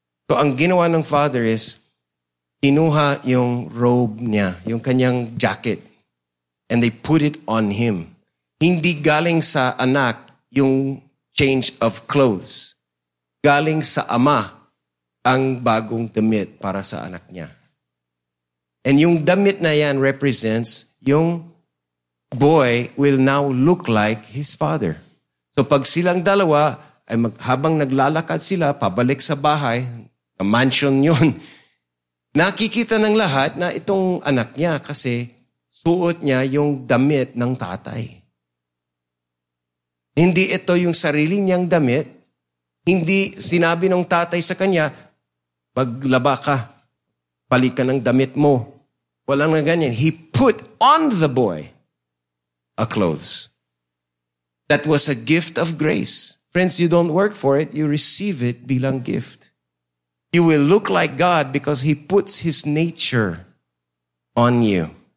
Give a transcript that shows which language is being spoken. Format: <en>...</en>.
<tl>So ang ginawa ng father is, inuha yung robe niya, yung kanyang jacket.</tl> <en>And they put it on him.</en> <tl>Hindi galing sa anak yung</tl> <en>change of clothes.</en> <tl>Galing sa ama ang bagong damit para sa anak niya.</tl> <en>And</en> <tl>yung damit na yan</tl> <en>represents yung boy will now look like his father.</en> <tl>So pag silang dalawa, ay habang naglalakad sila, pabalik sa bahay, sa mansion yun, nakikita ng lahat na itong anak niya kasi suot niya yung damit ng tatay. Hindi ito yung sarili niyang damit. Hindi sinabi ng tatay sa kanya, maglaba ka, balikan ng damit mo. Walang na ganyan.</tl> <en>He put on the boy a clothes. That was a gift of grace. Friends, you don't work for it. You receive it bilang gift. You will look like God because He puts His nature on you.</en>